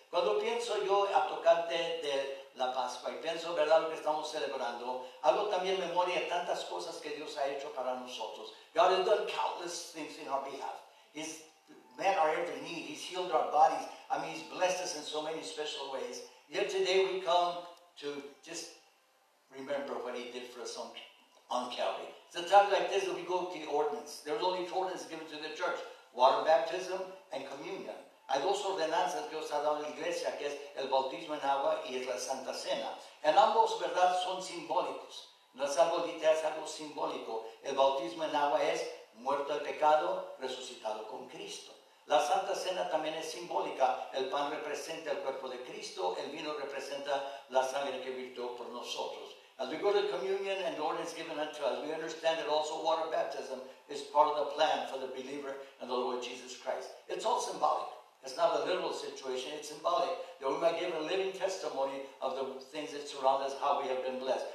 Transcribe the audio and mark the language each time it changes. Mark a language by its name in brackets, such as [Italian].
[Spanish] Cuando pienso yo a tocante de la Pascua y pienso, ¿verdad?, lo que estamos celebrando, hago también memoria de tantas cosas que Dios ha hecho para nosotros. [English] God has done countless things in our behalf. He's met our every need. He's healed our bodies. I mean, He's blessed us in so many special ways. Yet today we come to just remember what He did for us on Calvary. It's a time like this that we go to the ordinance. There's only two ordinances given to the church, water baptism and communion. [Spanish] Hay dos ordenanzas que Dios ha dado a la iglesia, que es el bautismo en agua y es la Santa Cena. En ambos, ¿verdad?, son simbólicos. No es algo literal, es algo simbólico. El bautismo en agua es muerto al pecado, resucitado con Cristo. La Santa Cena también es simbólica. El pan representa el cuerpo de Cristo, el vino representa la sangre que virtió por nosotros. [English] As we go to communion and the ordinance given unto us, we understand that also water baptism is part of the plan for the believer and the Lord Jesus Christ. It's all symbolic. It's not a literal situation, it's symbolic. That we might give a living testimony of the things that surround us, how we have been blessed.